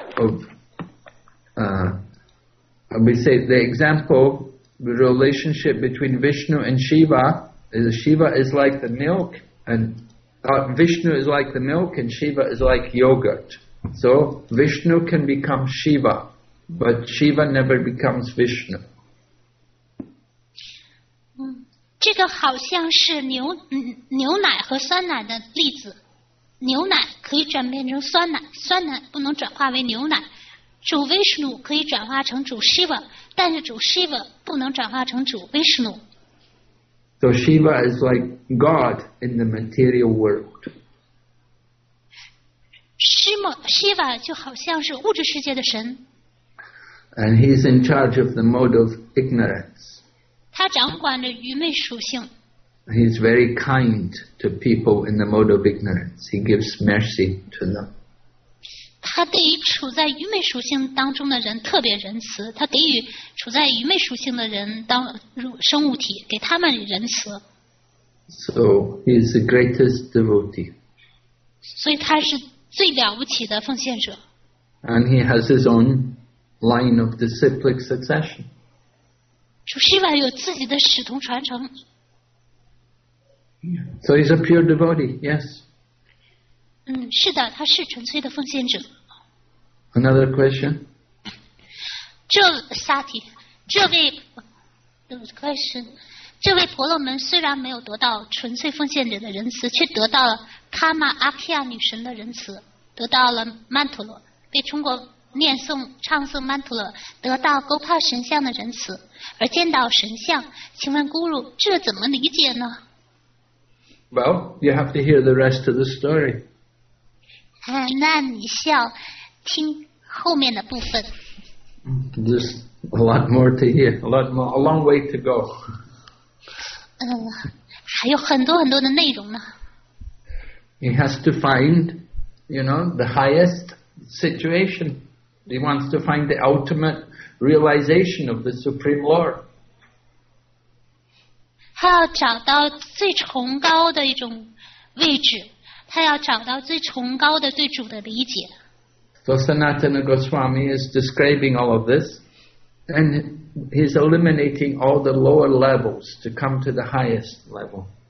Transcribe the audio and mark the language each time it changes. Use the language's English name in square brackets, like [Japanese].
[English] We say the example, the relationship between Vishnu and Shiva is Shiva is like the milk, and Vishnu is like the milk, and Shiva is like yogurt. So Vishnu can become Shiva, but Shiva never becomes Vishnu. [Chinese] 这个好像是牛奶和酸奶的例子。牛奶可以转变成酸奶，酸奶不能转化为牛奶。主 Vishnu 可以转化成主 Shiva， 但是主 Shiva 不能转化成主 Vishnu。 [English] So Shiva is like God in the material world. [Chinese] Shiva 就好像是物质世界的神。 [English] And he's in charge of the mode of ignorance. [Chinese] 他掌管着愚昧属性。 [English] He's very kind to people in the mode of ignorance. He gives mercy to them. [Chinese] 他对于处在愚昧属性当中的人特别仁慈，他给予处在愚昧属性的人当生物体，给他们仁慈。 [English] So he is the greatest devotee. [Chinese] 所以他是最了不起的奉献者。 [English] And he has his own line of disciplic succession. [Chinese] 主释迦有自己的使徒传承。 [English] So he's a pure devotee, yes. [Chinese] 是的，他是纯粹的奉献者。 [English] Another question. [Chinese] 这 Sati， 这位 question， 这位婆罗门虽然没有得到纯粹奉献者的仁慈，却得到了卡玛阿克亚女神的仁慈，得到了曼陀罗，被通过念诵唱诵曼陀罗得到勾帕神像的仁慈，而见到神像，请问 Guru， 这怎么理解呢？ [English] Well, you have to hear the rest of the story. [Chinese] 那你需要听后面的部分。 [English] There's a lot more to hear, a long way to go. [Chinese] 还有很多很多的内容呢。 [English] He has to find, you know, the highest situation. He wants to find the ultimate realization of the Supreme Lord. [Chinese] 他要找到最崇高的一种位置，他要找到最崇高的对主的理解。 [English] So Sanatana Goswami is describing all of this, and he's eliminating all the lower levels to come to the highest level.